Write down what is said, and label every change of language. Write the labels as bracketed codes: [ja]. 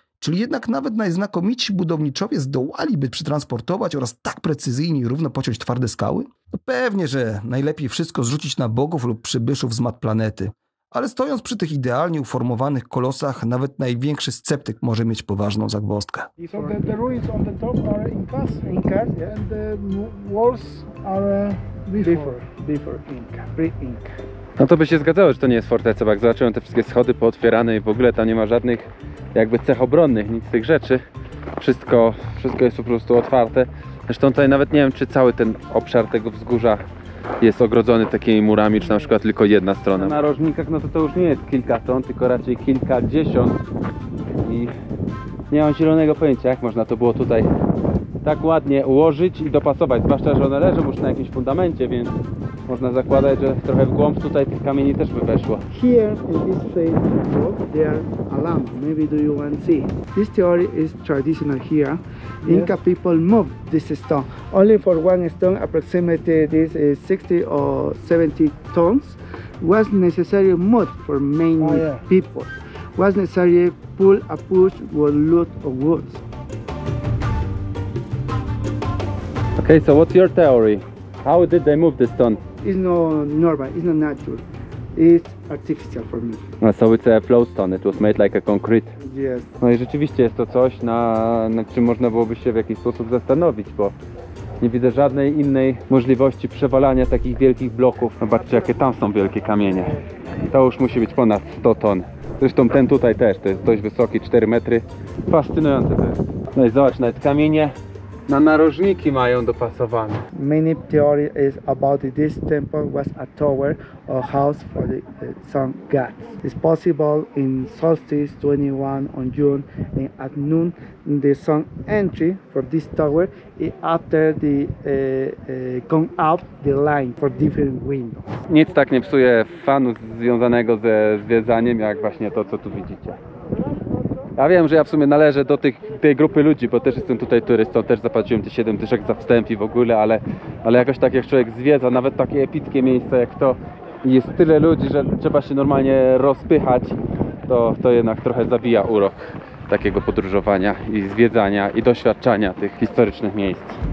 [pl] Czyli jednak nawet najznakomici budowniczowie zdołaliby przetransportować oraz tak precyzyjnie i równo pociąć twarde skały? No pewnie, że najlepiej wszystko zrzucić na bogów lub przybyszów z mat planety. Ale stojąc przy tych idealnie uformowanych kolosach, nawet największy sceptyk może mieć poważną zagwozdkę. [en] So the ruins on the top are Incas, Incas, yeah. And the walls are Before Inca. [pl] No to by się zgadzało, że to nie jest forteca, bo jak zobaczyłem te wszystkie schody pootwierane i w ogóle tam nie ma żadnych jakby cech obronnych, nic z tych rzeczy. Wszystko jest po prostu otwarte. Zresztą tutaj nawet nie wiem, czy cały ten obszar tego wzgórza jest ogrodzony takimi murami, czy na przykład tylko jedna strona. Na narożnikach no to już nie jest kilka ton, tylko raczej kilkadziesiąt. I nie mam zielonego pojęcia, jak można to było tutaj tak ładnie ułożyć i dopasować, zwłaszcza, że one leżą już na jakimś fundamencie, więc można zakładać, że trochę w głąb tutaj tych kamieni też by weszło. [en] Here in this same rock there are a lamp. Maybe do you want to see? This theory is traditional here. Inca yes. People move this stone. Only for one stone, approximately this is 60 or 70 tons, was necessary move for many people. Was necessary pull a push or load of wood. Okay, so what's your theory? How did they move the stone? It's not normal, it's not natural. It's artificial for me. So it's a flow stone, it was made like a concrete. Yes. [pl] No i rzeczywiście jest to coś, nad czym można byłoby się w jakiś sposób zastanowić, bo nie widzę żadnej innej możliwości przewalania takich wielkich bloków. Zobaczcie, jakie tam są wielkie kamienie. To już musi być ponad 100 ton. Zresztą ten tutaj też, to jest dość wysoki, 4 metry. Fascynujące to jest. No i zobacz, nawet kamienie na narożniki mają dopasowane. [en] Many theory is about this temple was a tower or house for the sun gods. It's possible in solstice 21 on June in at noon the sun entry for this tower after the gone out the line for different windows. [pl] Nic tak nie psuje fanu związanego ze zwiedzaniem jak właśnie to, co tu widzicie. Ja wiem, że ja w sumie należę do tej grupy ludzi, bo też jestem tutaj turystą, też zapłaciłem te 7 dyszek za wstęp i w ogóle, ale jakoś tak jak człowiek zwiedza, nawet takie epickie miejsce jak to, jest tyle ludzi, że trzeba się normalnie rozpychać, to jednak trochę zabija urok takiego podróżowania i zwiedzania i doświadczania tych historycznych miejsc.